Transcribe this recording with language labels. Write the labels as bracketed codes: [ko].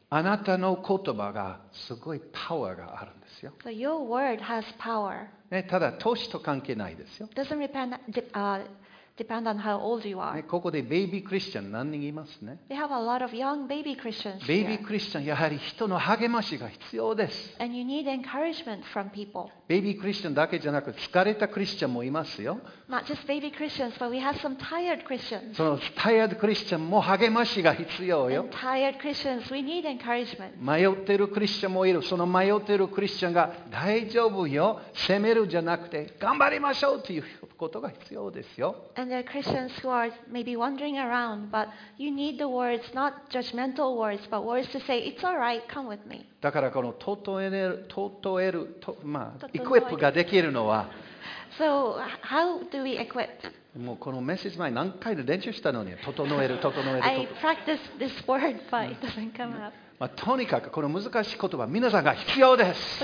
[ja] あなたの言葉がすごいパワーがあるんですよ。 [en] So your word has power. [ja] ね、ただ歳と関係ないですよ。 [en] Doesn't depend on how old you are. [ja] ね、ここでベイビークリスチャン何人いますね。 [en] We have a lot of young baby Christians here. [ja] ベイビークリスチャン、やはり人の励ましが必要です。 [en] And you need encouragement from people. [ja] ベイビークリスチャンだけじゃなく、疲れたクリスチャンもいますよ。 [en] Not just baby Christians, but we have some tired Christians. [ja] その tired クリスチャンも励ましが必要よ。 [en] And tired Christians, we need encouragement. [ja] 迷っているクリスチャンもいる。その迷っているクリスチャンが大丈夫よ、責めるじゃなくて、頑張りましょうということが必要ですよ。 [en] And there are Christians who are maybe wandering around, but you need the words, not judgmental words, but words to say, it's all right, come with me. [ja] だからこの整える、まあ、イクイップができるのは。 [en] So, how do we equip? [ja] もうこのメッセージ前何回で練習したのに、整える。 [en] I practiced this word, but it doesn't come up. [ja] まあ、とにかくこの難しい言葉、皆さんが必要です。